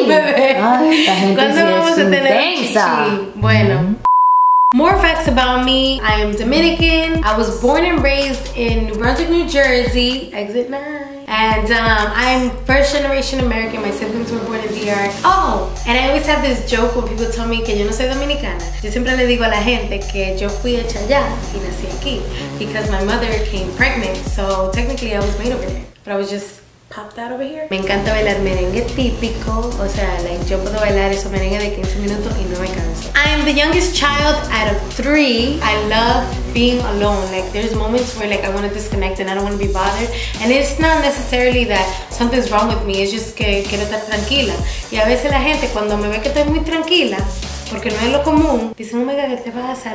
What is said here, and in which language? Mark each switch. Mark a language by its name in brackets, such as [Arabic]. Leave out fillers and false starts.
[Spanish] Un bebé. ¿Cuándo vamos a tener un chichi? Bueno. [English] More facts about me. I am Dominican. I was born and raised in New Brunswick, New Jersey. Exit 9. And I'm first generation American. My siblings were born in DR. Oh, and I always have this joke when people tell me [Spanish] que yo no soy Dominicana. Yo siempre le digo a la gente que yo fui hecha allá y nací aquí. [English] Because my mother came pregnant. So technically I was made over there. But I was just popped out over here. [Spanish] Me encanta bailar merengue típico. O sea, like, yo puedo bailar eso merengue de 15 minutos y no me canso. [English] I am the youngest child out of three. I love being alone. Like, there's moments where, like, I want to disconnect and I don't want to be bothered. And it's not necessarily that something's wrong with me. It's just [Spanish] que quiero estar tranquila. Y a veces la gente, cuando me ve que estoy muy tranquila, porque no es lo común, dicen, [English] oh my God, [Spanish] ¿qué te pasa?